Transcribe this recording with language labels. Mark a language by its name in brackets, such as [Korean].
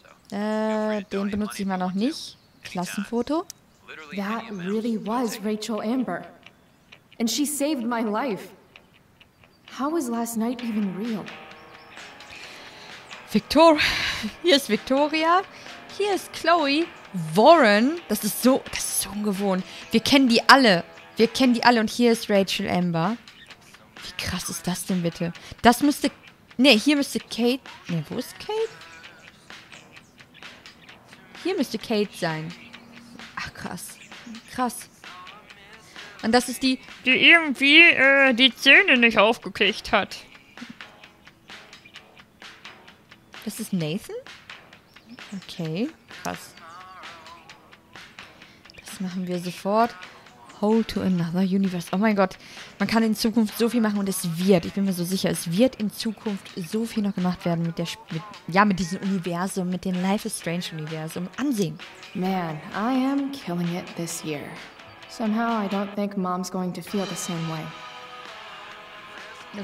[German] Den benutze ich mal noch nicht. Klassenfoto. [English] That really was Rachel Amber. And she saved my life. How was last night even real? [German] Victoria. Hier ist Victoria. Hier ist Chloe. Warren. Das ist so ungewohnt. Wir kennen die alle. Und hier ist Rachel Amber. Wie krass ist das denn bitte? Das müsste... Nee, hier müsste Kate... Nee, wo ist Kate? Hier müsste Kate sein. Ach, krass. Krass. Und das ist die... Die irgendwie die Zähne nicht aufgekriegt hat. Das ist Nathan? Okay, krass. Das machen wir sofort. [English] Hold to another universe. [German] Oh mein Gott. Man kann in Zukunft so viel machen und es wird. Ich bin mir so sicher, es wird in Zukunft so viel noch gemacht werden mit der... mit diesem Universum, mit dem Life is Strange Universum. Ansehen. [English] Man, I am killing it this year. Somehow I don't think Mom's going to feel the same way.